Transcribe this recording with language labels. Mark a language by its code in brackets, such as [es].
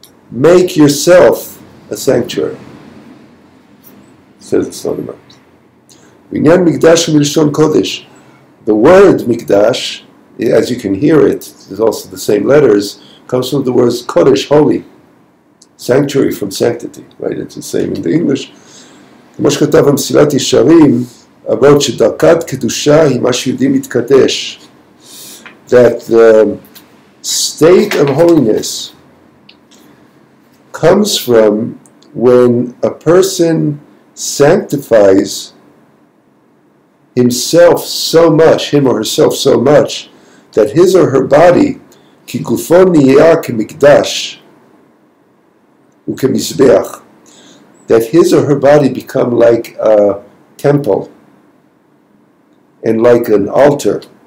[en] Make yourself a sanctuary, says the Slonimer. [he] V'inyan mikdash milshon kodesh. [en] The word mikdash, as you can hear it, is also the same letters, comes from the words kodesh, holy. Sanctuary from sanctity, right? It's the same in the English. [he] כמו שכתב המסילת ישרים, [en] about [he] שדרכת קדושה היא מה שיהודי מתקדש. [en] That the state of holiness comes from when a person sanctifies himself so much, him or herself so much, that his or her body, [he] כי גופו נהיה כמקדש וכמזבח, [en] that his or her body become like a temple and like an altar.